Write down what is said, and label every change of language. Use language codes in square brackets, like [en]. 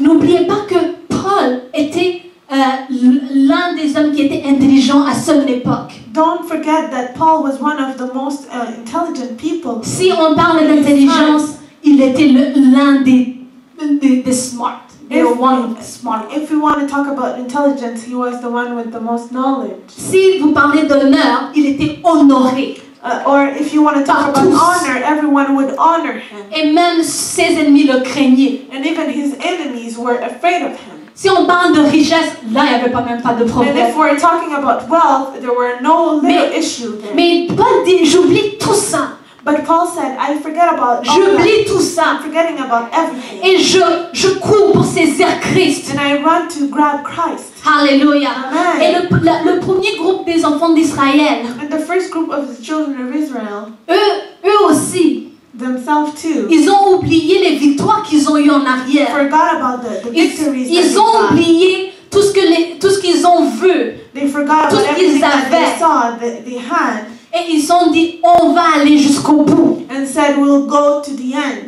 [fr] N'oubliez pas que Paul était l'un des hommes qui était intelligent à son époque. [en] Don't forget that Paul was one of the most intelligent people. [fr] Si on parle d'intelligence, il était l'un des smart. [en] If we want to talk about intelligence, he was the one with the most knowledge. [fr] Si vous parlez d'honneur, il était honoré. [en] Or if you want to talk about honor, everyone would honor him. [fr] Et même ses ennemis le craignaient. [en] And even his enemies were afraid of him. [fr] Si on parle de richesse, là il n'y avait pas même pas de problème. [en] And if we're talking about wealth, there were no little issues. [fr] Mais Paul dit, j'oublie tout ça. [en] But Paul said, I forget about all. [fr] J'oublie tout ça. [en] I'm forgetting about everything. [fr] Et je cours pour saisir Christ. [en] And I run to grab Christ. Hallelujah. Amen. [fr] Et le premier groupe des enfants d'Israël. [en] And the first group of the children of Israel. [fr] Eux aussi. [en] Themselves too. [fr] Ils ont oublié les victoires qu'ils ont eues en arrière. [en] Forgot about the victories. [fr] Ils ont oublié tout ce qu'ils ont vu. [en] They forgot [fr] tout ce qu'ils avaient. [en] They saw they had. [fr] Et ils ont dit, on va aller jusqu'au bout. [en] And said, we'll go to the end.